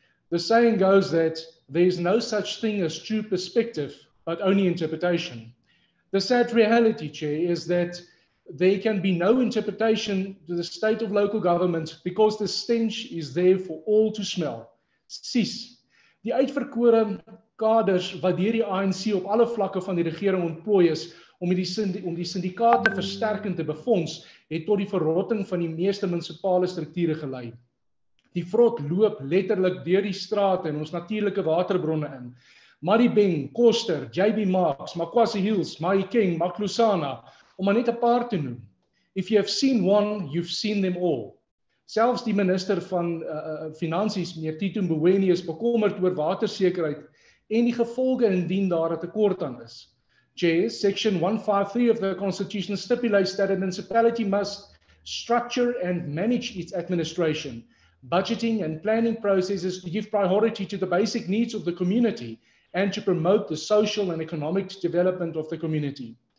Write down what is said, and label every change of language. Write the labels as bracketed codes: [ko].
[en] The saying goes that there is no such thing as true perspective, but only interpretation. The sad reality, Chair, is that there can be no interpretation to the state of local government because the stench is there for all to smell. [af] Sies, die uitverkore kaders wat deur die ANC op alle vlakke van die regering ontplooi is, om die syndikaat te versterk en te befonds, het tot die verrotting van die meeste munisipale strukture gelei. Die vrot loop letterlik deur die strate en ons natuurlike waterbronne in. Maribeng, Koster, JB Marks, Makwasi Hills, Mahi King, Maklusana, om maar net 'n paar te noem. [en] If you have seen one, you've seen them all. [af] Selfs die minister van finansies, meneer Tito Mboweni, is bekommerd oor watersekerheid en die gevolge indien daar 'n tekort aan is. [en] Chairs, section 153 of the Constitution stipulates that a municipality must structure and manage its administration, budgeting and planning processes to give priority to the basic needs of the community and to promote the social and economic development of the community.